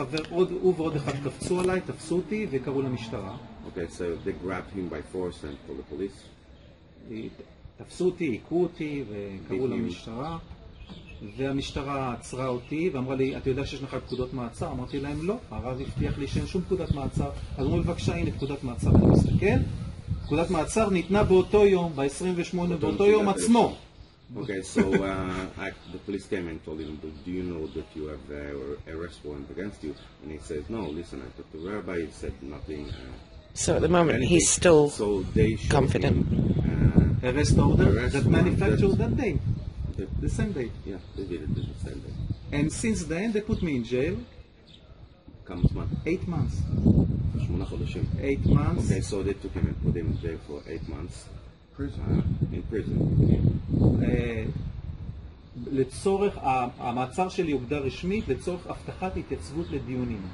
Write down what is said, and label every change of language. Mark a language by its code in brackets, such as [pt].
[he] הוא ועוד אחד קפצו עליי, תפסו אותי וקראו למשטרה. [en] Okay, so they grabbed him by force and called the police. [he] תפסו אותי, עיקו אותי וקראו למשטרה, והמשטרה עצרה אותי ואמרה לי, אתה יודע שיש לך פקודות מעצר? אמרתי להם, לא, הרב הבטיח לי שאין שום פקודת מעצר. אז אמרו לי, בבקשה, הנה פקודת מעצר. אני מסתכל, פקודת מעצר ניתנה באותו יום, ב-28, באותו יום עצמו. [en] Okay, so the police came and told him, do you know that you have arrest warrant against you? And he said, no, listen, I talked to the rabbi, he said nothing. So at the moment, he's still so they confident. Arrest order that manufactured that day. The same day. Yeah, they did it the same day. And since then, they put me in jail. How much month? 8 months. 8 months. 8 months. Okay, so they took him and put him in jail for 8 months. Prison. In prison. [he] לצורך, המעצר שלי הוגדר רשמית לצורך הבטחת התייצבות לדיונים.